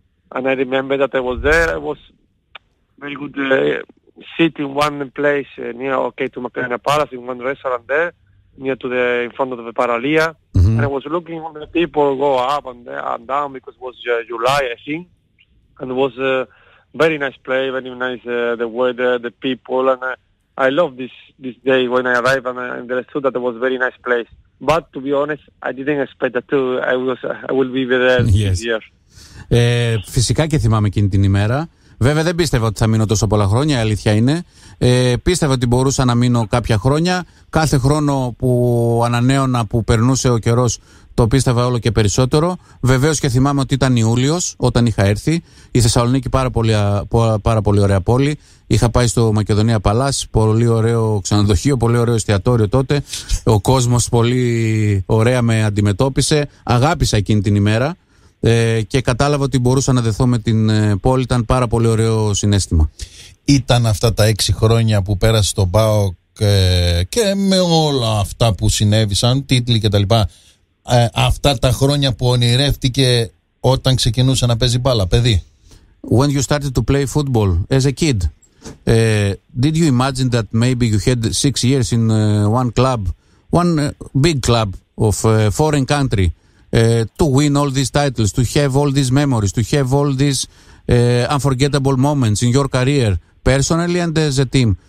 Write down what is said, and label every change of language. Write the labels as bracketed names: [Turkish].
[English] And I remember that I was there, I was very good sit in one place near, okay, to Macarena Palace, in one restaurant there, near to the, in front of the Paralia, and I was looking when the people go up and down, because it was July, I think, and it was a very nice place, very nice the weather, the people, and I loved this day when I arrived, and I understood that it was a very nice place. But to be honest, I didn't expect that too, I will be there this year. [Greek] Φυσικά και θυμάμαι εκείνη την ημέρα. Βέβαια δεν πίστευα ότι θα μείνω τόσο πολλά χρόνια, η αλήθεια είναι. Πίστευα ότι μπορούσα να μείνω κάποια χρόνια. Κάθε χρόνο που ανανέωνα, που περνούσε ο καιρός, το πίστευα όλο και περισσότερο. Βεβαίως και θυμάμαι ότι ήταν Ιούλιος όταν είχα έρθει. Η Θεσσαλονίκη πάρα πολύ ωραία πόλη. Είχα πάει στο Μακεδονία Παλάς, πολύ ωραίο ξενοδοχείο, πολύ ωραίο εστιατόριο τότε. Ο κόσμος πολύ ωραία με αντιμετώπισε. Αγάπησα εκείνη την ημέρα. Και κατάλαβα ότι μπορούσα να δεθώ με την πόλη. Ήταν πάρα πολύ ωραίο συνέστημα. Ήταν αυτά τα 6 χρόνια που πέρασε στον ΠΑΟΚ και με όλα αυτά που συνέβησαν, τίτλοι και τα λοιπά, αυτά τα χρόνια που ονειρεύτηκε όταν ξεκινούσε να παίζει μπάλα, παιδί. [English] When you started to play football as a kid, did you imagine that maybe you had 6 years in one club, one big club of foreign country, to win all these titles, to have all these memories, to have all these unforgettable moments in your career, personally and as a team.